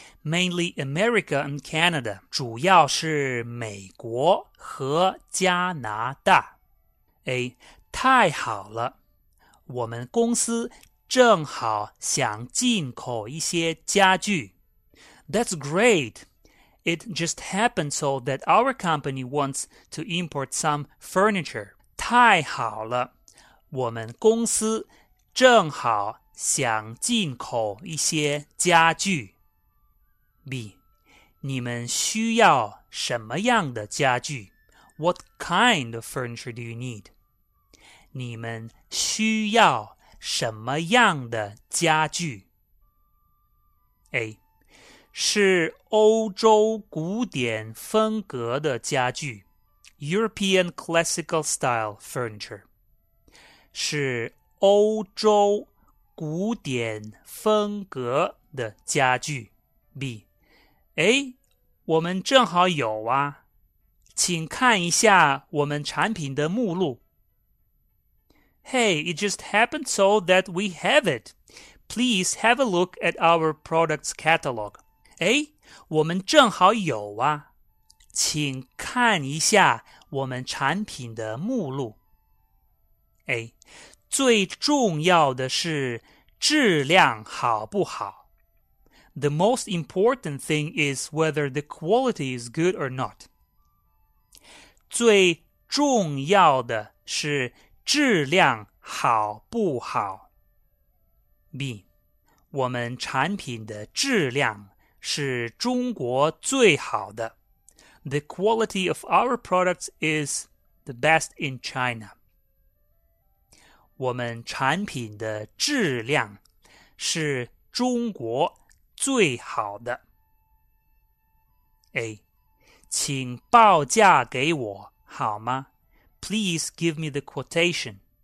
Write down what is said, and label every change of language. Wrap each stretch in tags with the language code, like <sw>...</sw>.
<en>Mainly America and Canada.</en> <zh>主要是美国和加拿大。A. 太好了。我们公司正好想进口一些家具。</zh> <en>That's great. It just happened so that our company wants to import some furniture.</en> <zh>太好了。我们公司正好想进口一些家具。</zh> <en>B.</en> <zh>你们需要什么样的家具?</zh> <en>What kind of furniture do you need?</en> <zh>你们需要什么样的家具?</zh> <en>A.</en> <zh>是欧洲古典风格的家具。</zh> <en>European classical style furniture.</en> <zh>是欧洲古典风格的家具。 B. 哎，我们正好有啊。请看一下我们产品的目录。</zh> <en>Hey, it just happened so that we have it. Please have a look at our products catalog.</en> <zh>诶,我们正好有啊。请看一下我们产品的目录。A. 最重要的是质量好不好。</zh> <en>The most important thing is whether the quality is good or not.</en> <zh>最重要的是质量好不好。</zh> <en>B.</en> <zh>我们产品的质量是中国最好的。</zh> <en>The quality of our products is the best in China.</en> <zh>我们产品的质量是中国最好的。 A. 请报价给我好吗?</zh> <en>Please give me the quotation.</en>